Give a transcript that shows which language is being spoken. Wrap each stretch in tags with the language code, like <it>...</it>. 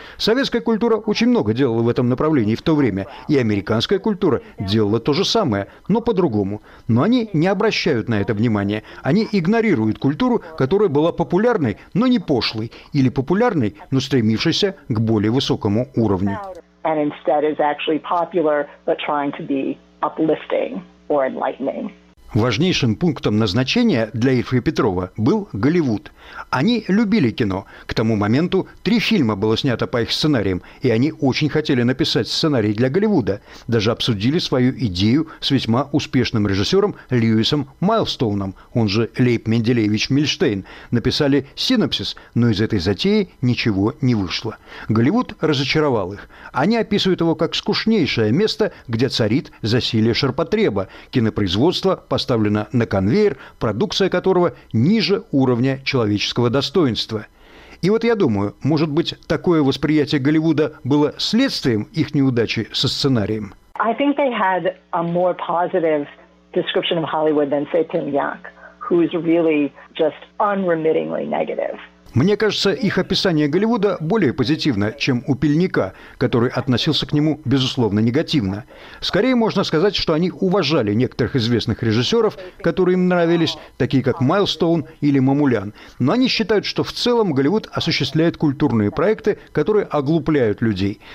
<ru>Советская культура очень много делала в этом направлении в то время, и американская культура делала то же самое, но по-другому. Но они не обращают на это внимания. Они игнорируют культуру, которая была популярной, но не пошлой, или популярной, но стремившейся к более высокому уровню.</ru> <en>And instead is actually popular, but trying to be uplifting or enlightening.</en> <ru>Важнейшим пунктом назначения для Ильфа и Петрова был Голливуд. Они любили кино. К тому моменту 3 фильма было снято по их сценариям, и они очень хотели написать сценарий для Голливуда. Даже обсудили свою идею с весьма успешным режиссером Льюисом Майлстоуном, он же Лейб Менделеевич Мильштейн. Написали синопсис, но из этой затеи ничего не вышло. Голливуд разочаровал их. Они описывают его как скучнейшее место, где царит засилье ширпотреба, кинопроизводство поставлена на конвейер, продукция которого ниже уровня человеческого достоинства. И вот я думаю, может быть, такое восприятие Голливуда было следствием их неудачи со сценарием?</ru> <en>I think they had a more positive description of Hollywood than, say, Tim Yak, who is really just unremittingly negative.</en> <ru>Мне кажется, их описание Голливуда более позитивно, чем у Пильника, который относился к нему, безусловно, негативно. Скорее можно сказать, что они уважали некоторых известных режиссеров, которые им нравились, такие как Майлстоун или Мамулян. Но они считают, что в целом Голливуд осуществляет культурные проекты, которые оглупляют людей.</ru>